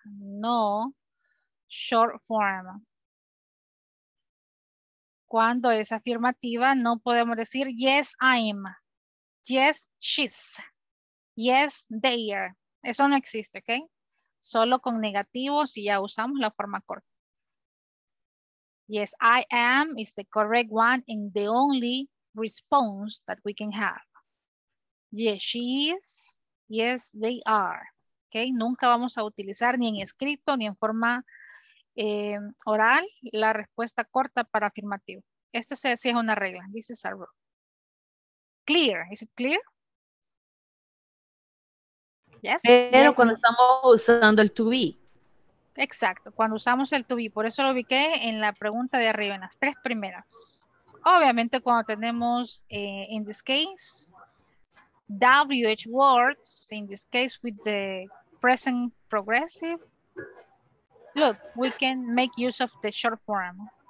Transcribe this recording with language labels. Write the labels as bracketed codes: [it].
[en] No, short form. [es] Cuando es afirmativa, no podemos decir yes, I'm. [en] Yes, she's. Yes, they are. [es] Eso no existe, ¿ok? Solo con negativos y ya usamos la forma corta. [en] Yes, I am is the correct one and the only response that we can have. Yes, she is. Yes, they are. Okay? [es] Nunca vamos a utilizar ni en escrito ni en forma oral la respuesta corta para afirmativo. [en] Esta sí es una regla. This is a rule. Clear. Is it clear? Yes. [es] Pero yes, cuando estamos usando el to be. Exacto, cuando usamos el to be. Por eso lo ubiqué en la pregunta de arriba, en las tres primeras. [en] Obviamente cuando tenemos, in this case, WH words, in this case with the present progressive, look, we can make use of the short form.